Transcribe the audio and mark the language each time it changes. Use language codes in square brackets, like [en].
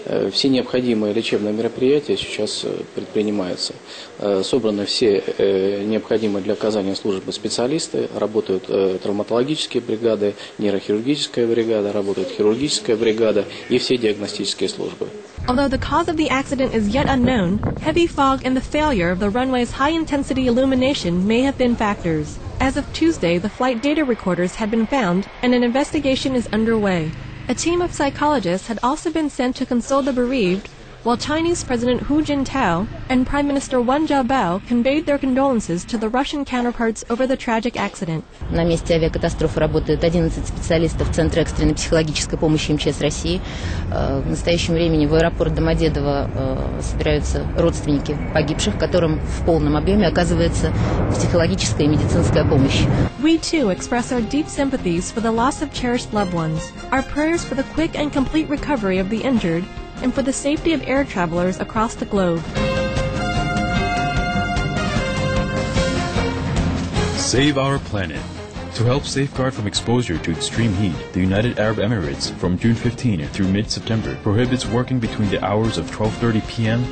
[ru] Все необходимые лечебные мероприятия сейчас предпринимаются. Собраны все необходимые для оказания службы специалисты. Работают травматологические бригады, нейрохирургическая бригада, работает хирургическая бригада и все диагностические службы. [en] Although the cause of the accident is yet unknown, heavy fog and the failure of the runway's high-intensity illumination may have been factors. As of Tuesday, the flight data recorders had been found, and an investigation is underway. A team of psychologists had also been sent to console the bereaved, while Chinese President Hu Jintao and Prime Minister Wang Jiabao conveyed their condolences to the Russian counterparts over the tragic accident. [ru] На месте авиакатастрофы работают 11 специалистов Центра экстренной психологической помощи МЧС России. В настоящее время в аэропорт Домодедово собираются родственники погибших, которым в полном объеме оказывается психологическая и медицинская помощь. [en] We too express our deep sympathies for the loss of cherished loved ones. Our prayers for the quick and complete recovery of the injured, and for the safety of air travelers across the globe. Save our planet. To help safeguard from exposure to extreme heat, the United Arab Emirates, from June 15 through mid-September, prohibits working between the hours of 12:30 p.m.